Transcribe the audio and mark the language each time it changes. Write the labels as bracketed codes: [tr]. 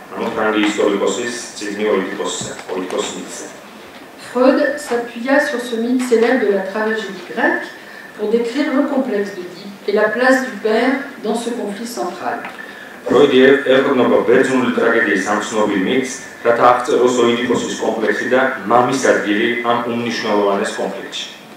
[fr] Romanes historiques [ka] წიგნი ოიდიპოს მითზე. [fr] Freud s'appuya sur ce mythe célèbre de la tragédie grecque pour décrire le complexe d'Œdipe et la place du père dans ce conflit central. [ka] Freudie ეყრდნობა ბერძნული ტრაგედიის ამ ცნობილ მითს, რათა აღწეროს ოიდიპოსის კომპლექსი და მამის ადგილი ამ უმნიშვნელოვანეს კონფლიქტში.